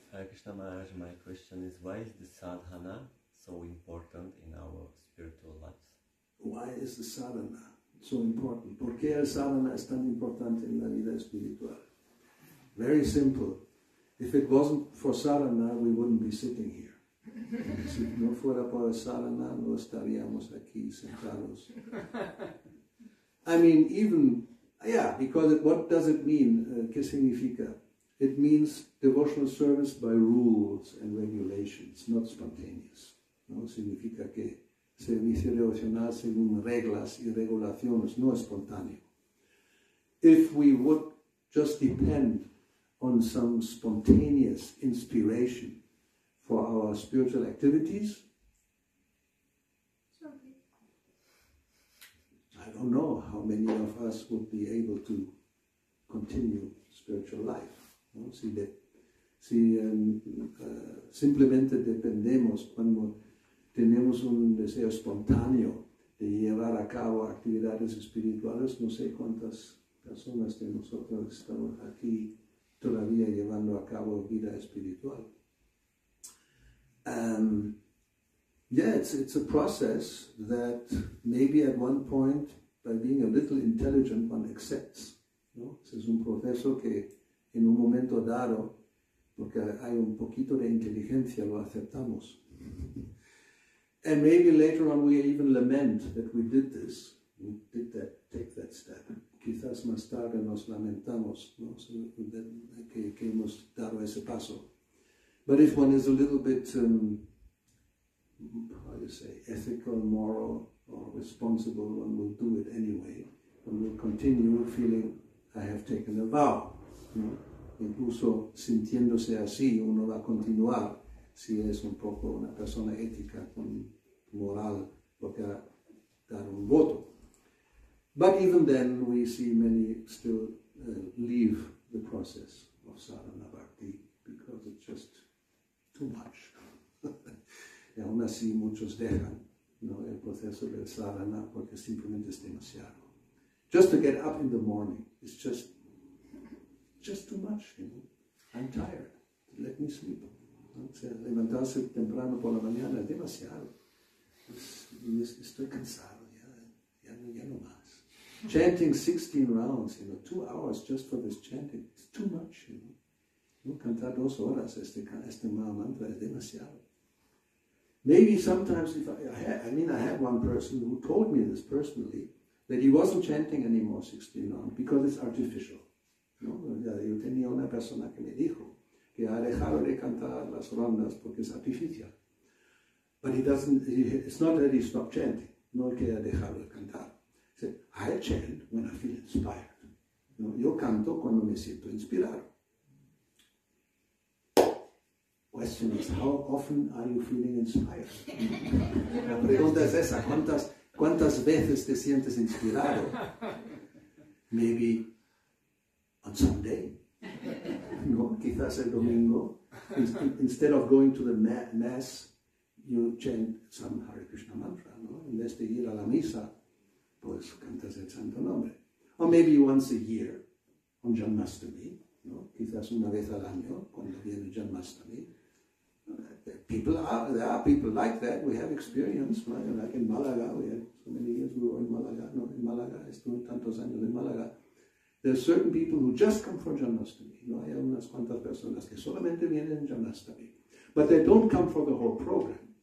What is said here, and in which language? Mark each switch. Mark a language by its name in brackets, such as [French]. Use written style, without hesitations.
[English] Krishna Maharaj, my question is, why is the sadhana so important in our spiritual lives? Why is the sadhana so important? [Spanish] ¿Por qué el sadhana es tan importante en la vida espiritual? [English] Very simple. If it wasn't for sadhana, we wouldn't be sitting here. [Spanish] Si no fuera por el sadhana, no estaríamos aquí sentados. [English] I mean, even, yeah, because what does it mean? [Spanish] ¿Qué significa? [English] It means devotional service by rules and regulations, not spontaneous. [Spanish] ¿No? Significa que servicio devocional según reglas y regulaciones, no espontáneo. [English] If we would just depend on some spontaneous inspiration for our spiritual activities? I don't know how many of us would be able to continue spiritual life. No? Si, de, [Spanish] si simplemente dependemos cuando tenemos un deseo espontáneo de llevar a cabo actividades espirituales, no sé cuántas personas de nosotros estamos aquí todavía llevando a cabo vida espiritual. [English] It's a process that maybe at one point, by being a little intelligent, one accepts. [Spanish] ¿No? Ese es un proceso que en un momento dado, porque hay un poquito de inteligencia, lo aceptamos. [English] And maybe later on we even lament that we did this, we did that, take that step. [Spanish] Quizás más tarde nos lamentamos, ¿no? que hemos dado ese paso. [English] But if one is a little bit, how do you say, ethical, moral, or responsible, one will do it anyway. One will continue feeling, I have taken a vow. ¿No? [Spanish] Incluso sintiéndose así, uno va a continuar si es un poco una persona ética, con moral, porque dar un voto. [English] But even then, we see many still leave the process of sadhana bhakti because it's just too much. [Spanish] Y aún así muchos dejan, ¿no?, el proceso del sadhana porque simplemente es demasiado. [English] Just to get up in the morning, it's just too much, you know. I'm tired, let me sleep. ¿No? [Spanish] O sea, levantarse temprano por la mañana es demasiado. Estoy cansado, ya no más. [English] Chanting 16 rounds, you know, 2 hours just for this chanting, it's too much, you know. ¿No? [Spanish] Cantar 2 horas este mal mantra es demasiado. [English] Maybe sometimes, I had one person who told me this personally, that he wasn't chanting anymore 16 rounds because it's artificial. [Spanish] ¿No? Yo tenía una persona que me dijo que ha dejado de cantar las rondas porque es artificial. [English] But it's not that he stopped chanting, [Spanish] no que ha dejado de cantar. [English] I chant when I feel inspired. [Spanish] ¿No? Yo canto cuando me siento inspirado. [English] Question is, how often are you feeling inspired? [Spanish] La pregunta es esa, ¿cuántas veces te sientes inspirado? [English] Maybe on Sunday. ¿No? [Spanish] Quizás el domingo. [English] Instead of going to the mass, you chant some Hare Krishna mantra. [Spanish] ¿No? En vez de ir a la misa, pues cantas el santo nombre. [English] Or maybe once a year, on Janmashtami, ¿no? [Spanish] Quizás una vez al año, cuando viene Janmashtami. [English] There are people like that, we have experience, right? Like in Malaga, we had so many years we were in Malaga, no, in Malaga, [Spanish] estuve tantos años en Malaga. [English] There are certain people who just come for Janmashtami, ¿no? [Spanish] Hay unas cuantas personas que solamente vienen en Janmashtami. [English] But they don't come for the whole program.